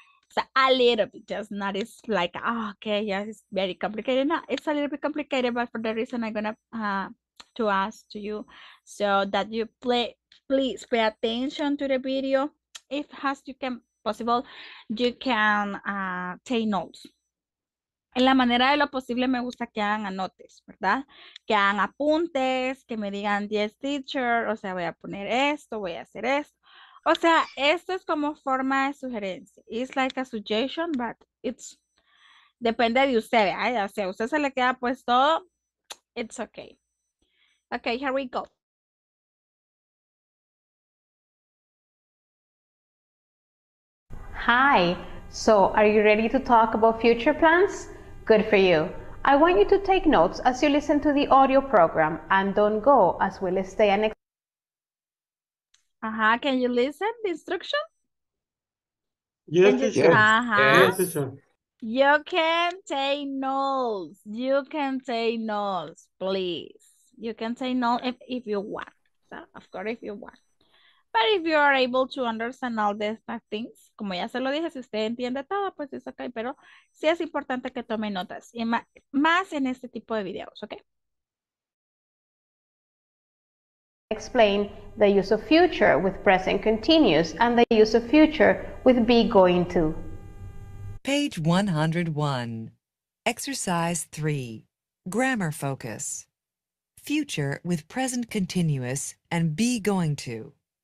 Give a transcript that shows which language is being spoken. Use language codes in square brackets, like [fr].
[en] So a little bit, just not, it's like, oh, okay, yes, it's very complicated. No, it's a little bit complicated, but for the reason I'm gonna to ask to you, so that you please pay attention to the video. If as you can possible, you can take notes. [es] En la manera de lo posible, me gusta que hagan anotes, ¿verdad? Que hagan apuntes, que me digan, [en] yes, teacher, [es] o sea, voy a poner esto, voy a hacer esto. O sea, esto es como forma de sugerencia. [en] It's like a suggestion, but it's [es] depende de usted, ¿eh? O sea, usted se le queda pues todo. [en] It's okay. Okay, here we go. Hi. So, are you ready to talk about future plans? Good for you. I want you to take notes as you listen to the audio program and don't go, as we'll stay an Uh-huh. Can you listen the instruction? Yes, teacher. You can take notes. You can take notes, please. You can take notes if you want. So, of course, if you want. But if you are able to understand all these things, [es] como ya se lo dije, si usted entiende todo, pues es okay. Pero sí es importante que tome notas. Y más en este tipo de videos, okay? [en] Explain the use of future with present continuous and the use of future with be going to. Page 101. Exercise 3. Grammar focus. Future with present continuous and be going to.